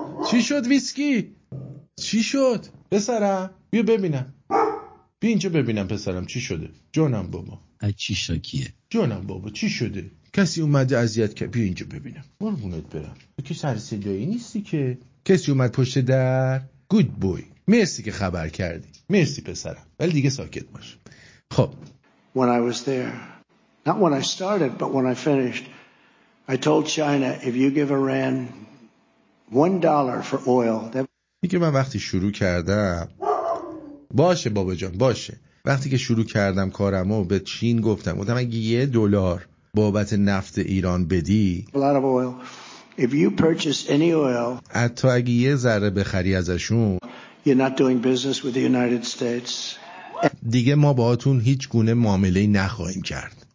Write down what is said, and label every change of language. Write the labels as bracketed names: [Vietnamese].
[Persian] چی شد ویسکی؟ چی شد؟ پسرم بیا ببینم، بیا اینجا ببینم پسرم چی شده جانم بابا. چی شاکیه؟ جانم بابا چی شده؟ کسی اومده اذیت کرد؟ بیا اینجا ببینم برمونت برم. که سر صدایی نیستی که، کسی اومد پشت در؟ گود بوی، مرسی که خبر کردی، مرسی پسرم، ولی دیگه ساکت باش. خب [English] when I was there, not when I started but when I finished, I told China if you give Iran $1 for oil that... [Persian] من وقتی شروع کردم، باشه بابا جان باشه، وقتی که شروع کردم کارمو به چین گفتم، گفتم اگه $1 بابت نفت ایران بدی [English] a lot of oil If you purchase any oil, [Persian] حتی اگه یه ذره بخری ازشون, [English] you're not doing business with the United States. [Persian] دیگه ما باهاتون هیچ گونه معامله‌ای نخواهیم کرد.